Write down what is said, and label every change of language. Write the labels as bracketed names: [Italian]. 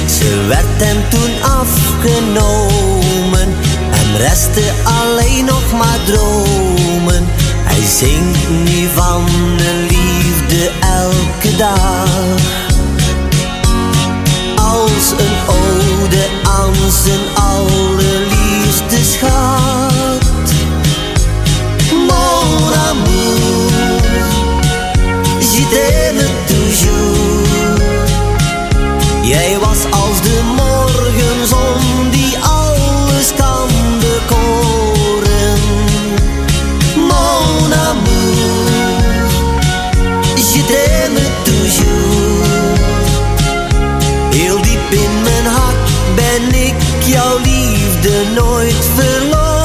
[Dutch] Ze werd hem toen afgenomen, hem restte alleen nog maar dromen. Hij zingt nu van de liefde elke dag, als een ode aan zijn allerliefste schat. [French] Mon amour, je t'aime toujours. [Dutch] Jij was als de morgenzon die alles kan bekoren. [French] Mon amour, je t'aime toujours. [Dutch] Heel diep in mijn hart ben ik jouw liefde nooit verloren.